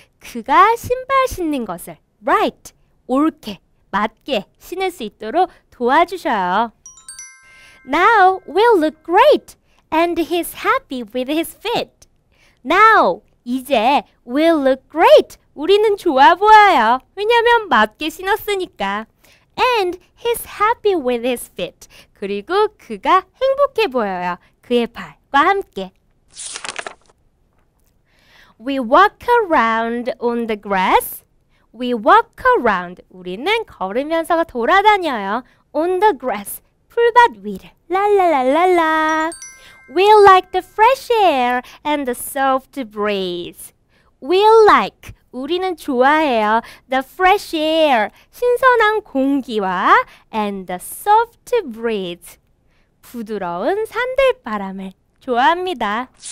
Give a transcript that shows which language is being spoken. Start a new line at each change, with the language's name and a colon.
Korean: 그가 신발 신는 것을 right, 옳게, 맞게 신을 수 있도록 도와주셔요.
English: Now we look great and he's happy with his fit. Now
Korean: 이제
English: we'll look great.
Korean: 우리는 좋아 보여요. 왜냐면 맞게 신었으니까.
English: And he's happy with his fit.
Korean: 그리고 그가 행복해 보여요. 그의 발과 함께.
English: We walk around on the grass. We walk around.
Korean: 우리는 걸으면서 돌아다녀요.
English: On the grass.
Korean: 풀밭 위를.
English: 랄랄랄랄라. We like the fresh air and the soft breeze. We like,
Korean: 우리는 좋아해요.
English: The fresh air,
Korean: 신선한 공기와
English: and the soft breeze,
Korean: 부드러운 산들바람을 좋아합니다.